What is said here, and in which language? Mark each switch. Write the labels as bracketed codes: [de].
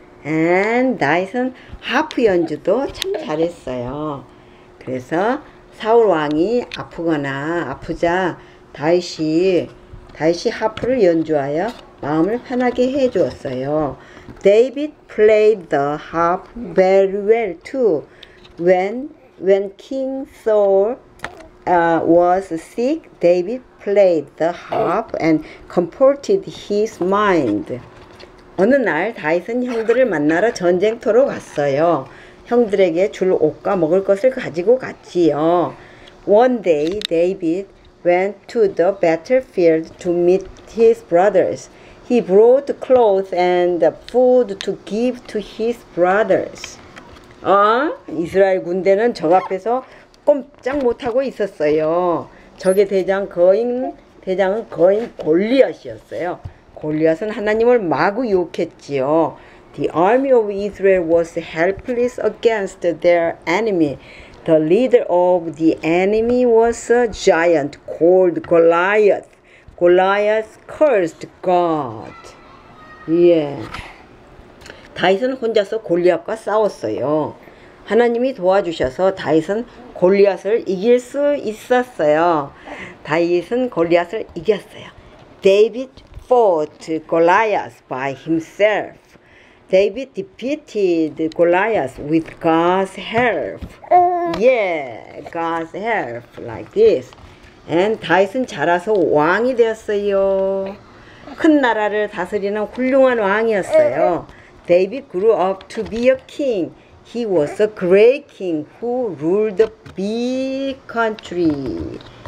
[ko] And 다윗은 하프 연주도 참 잘했어요. 그래서 사울 왕이 아프거나 아프자 다윗이 하프를 연주하여 마음을 편하게 해 주었어요. [en] David played the harp very well too. When King Saul was sick, David played the harp and comforted his mind. [ko] 어느 날 다윗은 형들을 만나러 전쟁터로 갔어요. 형들에게 줄 옷과 먹을 것을 가지고 갔지요. [en] One day David went to the battlefield to meet his brothers. He brought clothes and food to give to his brothers. [ko] 어? 이스라엘 군대는 적 앞에서 꼼짝 못하고 있었어요. 적의 대장은 거인 골리앗이었어요. 골리앗은 하나님을 마구 욕했지요. [en] The army of Israel was helpless against their enemy. The leader of the enemy was a giant called Goliath. Goliath cursed God. 예. [ko] 다윗은 혼자서 골리앗과 싸웠어요. 하나님이 도와주셔서 다윗은 골리앗을 이길 수 있었어요. 다윗은 골리앗을 이겼어요. [en] David fought Goliath by himself. David defeated Goliath with God's help. Yeah, God's help, like this. [ko] And 다윗은 자라서 왕이 되었어요. 큰 나라를 다스리는 훌륭한 왕이었어요. [en] David grew up to be a king. He was a great king who ruled a big country.